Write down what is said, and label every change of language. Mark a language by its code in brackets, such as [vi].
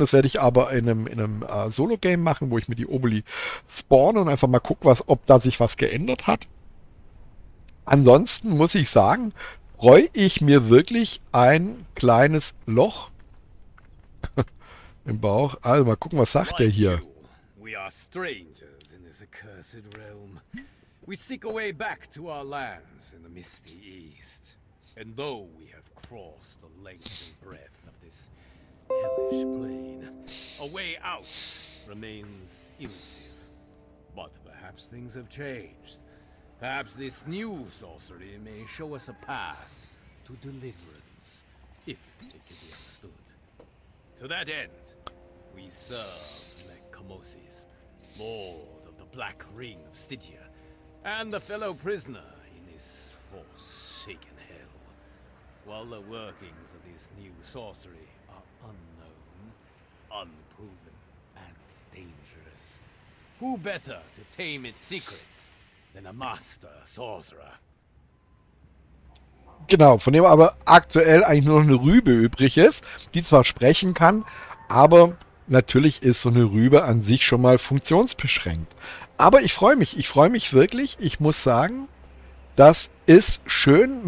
[de] Das werde ich aber in einem Solo-Game machen, wo ich mir die Oboli spawne und einfach mal gucke, ob da sich was geändert hat. Ansonsten muss ich sagen, freue ich mir wirklich ein kleines Loch im Bauch. Also mal gucken, was sagt der hier. [en] We are strangers in this accursed realm. We seek a way back to our lands in the misty east. And though we have crossed the length and breadth of this hellish plain, a way out remains elusive. But perhaps things have changed. Perhaps this new sorcery may show us a path to deliverance, if it can be understood. To that end, we serve Lecomosis, Lord of the Black Ring of Stygia, and the fellow prisoner in this forsaken hell. While the workings of this new sorcery are unknown, unproven, and dangerous, who better to tame its secrets than a master sorcerer? [de] Genau, von dem aber aktuell eigentlich nur noch eine Rübe übrig ist, die zwar sprechen kann, aber natürlich ist so eine Rübe an sich schon mal funktionsbeschränkt. Aber ich freue mich wirklich. Ich muss sagen, das ist schön.